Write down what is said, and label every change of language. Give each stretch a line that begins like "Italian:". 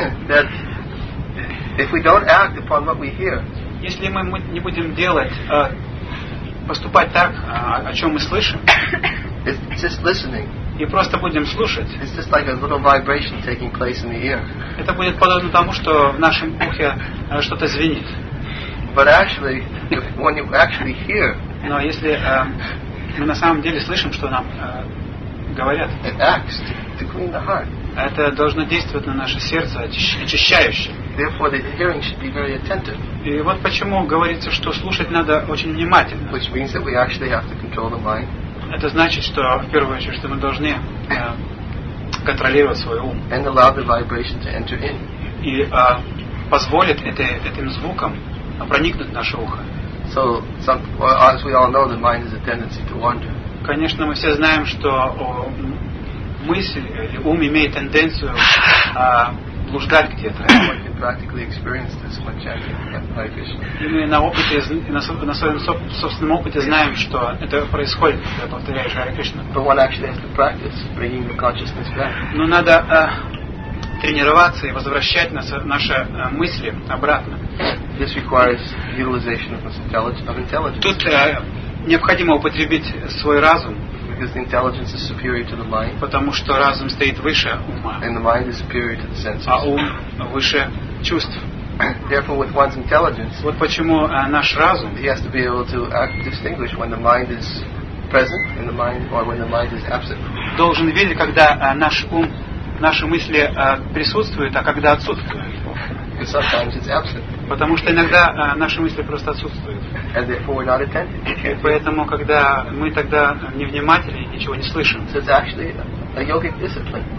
English: that if we don't act upon what we hear,
Russian: если мы не будем поступать так, о чем мы слышим,
English: it's just listening.
Russian: И просто будем слушать.
English: It's just like a little vibration taking place in the ear.
Russian: Это будет подобно тому, что в нашем ухе что-то звенит.
English: But actually, when you actually hear,
Russian: но если мы на самом деле слышим, что нам говорят,
English: it acts to clean the heart.
Russian: Это должно действовать на наше сердце очищающе.
English: Therefore, the hearing should be very attentive.
Russian: И вот почему говорится, что слушать надо очень внимательно.
English: Which means that we actually have to control the mind.
Russian: Это значит, что в первую очередь, что мы должны контролировать свой ум.
English: And allow the vibration to enter in.
Russian: И позволит этим звукам проникнуть в наше ухо.
English: So, as we all know, the mind has a tendency to wander.
Russian: Конечно, мы все знаем, что мысль или ум имеет тенденцию блуждать где-то. И мы на опыте, на своем собственном опыте знаем, что это происходит, когда повторяешь Харе Кришна.
English: But one actually has to practice bringing the consciousness back.
Russian: Но надо тренироваться и возвращать наши мысли обратно.
English: This requires utilization of intelligence.
Russian: Тут необходимо употребить свой разум.
English: because the intelligence is superior to the mind.
Russian: Потому что разум стоит выше ума.
English: And the mind is superior to the senses.
Russian: А ум выше чувств.
English: Therefore, with one's intelligence,
Russian: вот почему наш разум,
English: he has to be able to distinguish when the mind is present in the mind or when the mind is absent.
Russian: Должен видеть, когда наш ум, наши мысли присутствуют, а когда отсутствуют.
English: Because sometimes it's absent.
Russian: Потому что иногда наши мысли просто отсутствуют.
English: And therefore we're not attentive.
Russian: Поэтому, когда мы тогда невнимательны, ничего не слышим.
English: So it's actually a yogic discipline.